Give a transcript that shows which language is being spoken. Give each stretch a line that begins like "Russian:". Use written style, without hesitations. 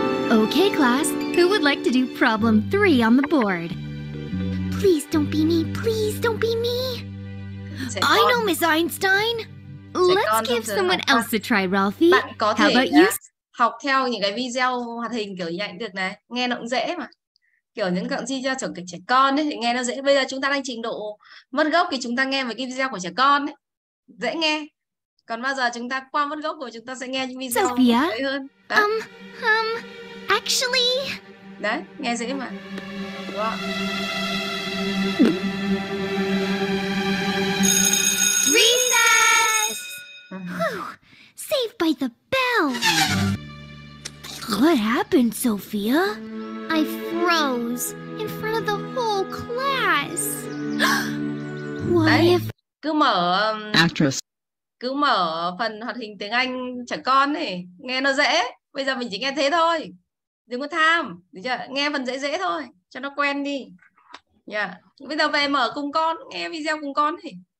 English: Okay, class, who would like to do problem 3 on the board? Please don't be me, please don't be me. I know Miss Einstein. Let's give someone else a try, Ralphie. How about you?
Vietnamese: Học theo những cái video hoạt hình kiểu như vậy được này, nghe nó cũng dễ mà. Kiểu những cặng gì cho trưởng cái trẻ con ấy thì nghe nó dễ. Bây giờ chúng ta đang trình độ mất gốc thì chúng ta nghe về cái video của trẻ con ấy dễ nghe. Còn bao giờ chúng ta qua mất gốc rồi chúng ta sẽ nghe những video
English: Sophia,
Vietnamese: dễ hơn.
English: Actually.
Vietnamese: Đấy, nghe dễ mà. Wow.
English: Recess. Saved by the bell. What happened, Sophia? I froze in front of the whole class. What if...
Vietnamese: cứ mở
English: actress.
Vietnamese: Cứ mở phần hoạt hình tiếng Anh trẻ con này, nghe nó dễ. Bây giờ mình chỉ nghe thế thôi. Đừng có tham, được chưa? Nghe phần dễ dễ thôi, cho nó quen đi. Dạ. Yeah. Bây giờ về mở cùng con, nghe video cùng con này.